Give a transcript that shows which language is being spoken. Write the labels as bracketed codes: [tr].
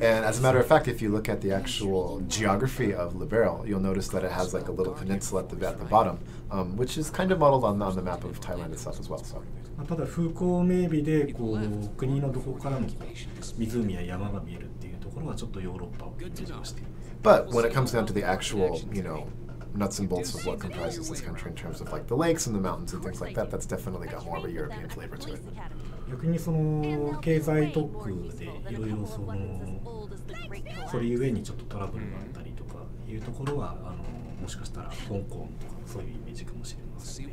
[en] And as a matter of fact, if you look at the actual geography of Liberia, you'll notice that it has like a little peninsula at the bottom, which is kind of modeled on the map of Thailand itself as well. So. [ja] ただ風光明媚でこう国のどこからも湖や山が見えるっていうところはちょっとヨーロッパを感じました。 [en] But when it comes down to the actual, you know,nuts and bolts of what comprises this country in terms of like the lakes and the mountains and things like that, that's definitely got more of a European flavor to it. [ja] 逆にその経済特区でいろいろそのそれゆえにちょっとトラブルがあったりとかいうところはもしかしたら香港とかそういうイメージかもしれません。